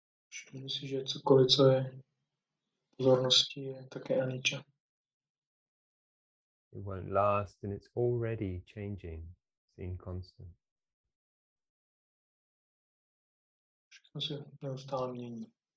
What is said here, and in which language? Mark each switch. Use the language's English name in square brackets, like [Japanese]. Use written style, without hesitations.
[Czech] Všimni si, že cokoliv, co je pozornosti, je také anicca. [English] It won't last and it's already changing, it's inconstant. [Czech] Všechno se neustále mění.